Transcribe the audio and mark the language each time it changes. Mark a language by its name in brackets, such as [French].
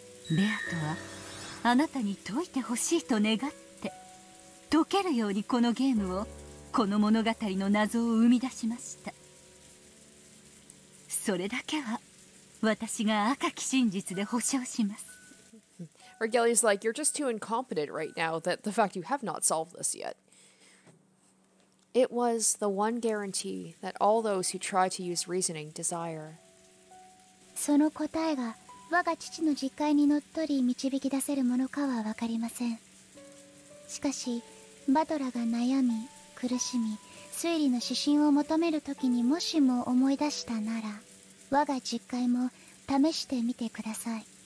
[Japanese] ベアトはあなたに解いてほしいと願って、解けるようにこのゲームを、この物語の謎を生み出しました。それだけは私が赤き真実で保証します。 [English] Regalia's like, you're just too incompetent right now that the fact you have not solved this yet. It was the one guarantee that all those who try to use reasoning desire. [Japanese] その答えが我が父の実戒にのっとり導き出せるものかは分かりません。しかし、バトラが悩み、苦しみ、推理の指針を求めるときにもしも思い出したなら、我が実戒も試してみてください。